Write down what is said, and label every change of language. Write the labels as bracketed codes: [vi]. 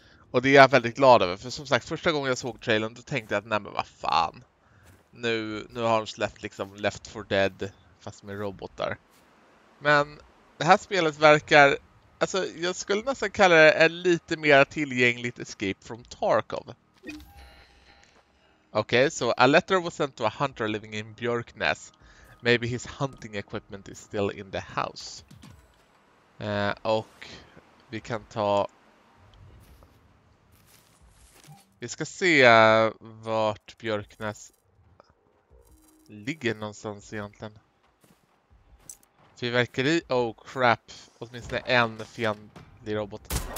[sv] Och det är jag väldigt glad över. För som sagt, första gången jag såg trailern då tänkte jag att nej men vad fan. Nu har de släppt liksom Left 4 Dead fast med robotar. Men det här spelet verkar, alltså jag skulle nästan kalla det en lite mer tillgängligt Escape from Tarkov. [en] Okay, so a letter was sent to a hunter living in Björknäs. Maybe his hunting equipment is still in the house. [sv] Och vi kan ta, vi ska se vart Björknäs ligger någonstans egentligen. Fyrverkeri, [en] oh crap, [sv] åtminstone en fiendlig robot.